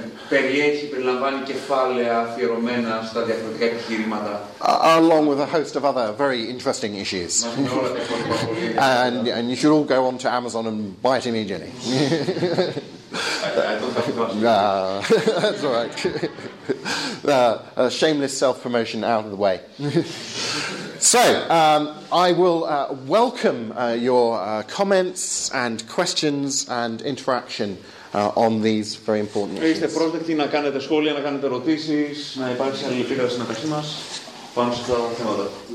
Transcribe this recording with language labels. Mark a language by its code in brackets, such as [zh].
[el] Περιλαμβάνει κεφάλαια αφιερωμένα στα διαφορετικά επιχειρήματα. [en] Along with a host of other very interesting issues. and you should all go on to Amazon and buy it immediately. That's all right. a shameless self-promotion out of the way. So, I will welcome your comments and questions and interaction on these very important issues. [el] Είστε πρόσδεκτοι να κάνετε σχόλια, να κάνετε ερωτήσεις, να υπάρξει αλληλεπίδραση μεταξύ μας πάνω σε αυτά τα θέματα.